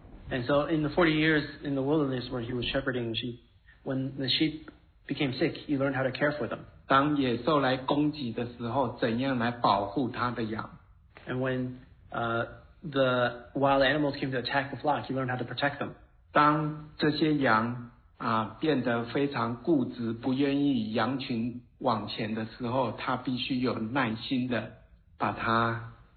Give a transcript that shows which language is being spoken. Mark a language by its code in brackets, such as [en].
[en] And so in the 40 years in the wilderness where he was shepherding sheep, when the sheep became sick, he learned how to care for them. [zh] 当野兽来攻击的时候,怎样来保护他的羊。 [en] And when the wild animals came to attack the flock, he learned how to protect them. [zh] 当这些羊, 变得非常固执,不愿意羊群往前的时候, 他必须有耐心地把它,